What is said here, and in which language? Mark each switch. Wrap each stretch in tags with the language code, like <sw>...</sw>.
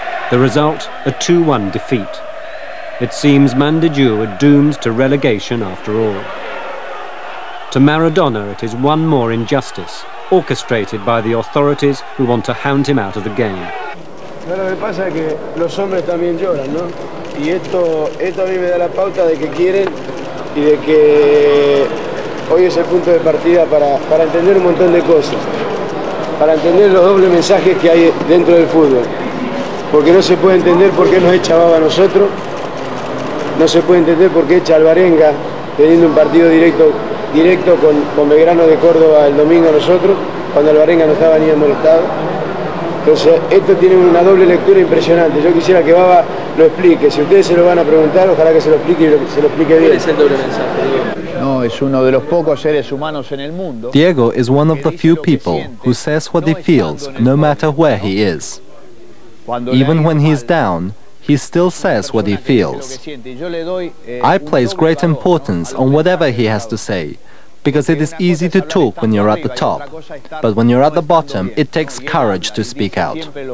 <en>The result, a 2-1 defeat. It seems Mandiju are doomed to relegation after all. To Maradona, it is one more injustice, orchestrated by the authorities who want to hound him out of the game.</en> <es>Lo que pasa es que los hombres también lloran, ¿no? Y esto a mí me da la pauta de que quieren y de que hoy es el punto de partida para entender un montón de cosas, para entender los dobles mensajes que hay dentro del fútbol. Porque no se puede entender por qué nos echa Baba a nosotros, no se puede entender por qué echa Alvarenga teniendo un partido directo con Belgrano de Córdoba el domingo a nosotros, cuando Alvarenga no estaba ni molestado. Entonces, esto tiene una doble lectura impresionante. Yo quisiera que Baba lo explique. Si ustedes se lo van a preguntar, ojalá que se lo explique y se lo explique bien. ¿Cuál es el doble mensaje? No, es uno de los pocos seres humanos en el mundo.</es> <en>Diego is one of the few people who says what he feels, no matter where he is. Even when he's down, he still says what he feels. I place great importance on whatever he has to say, because it is easy to talk when you're at the top, but when you're at the bottom, it takes courage to speak out.</en>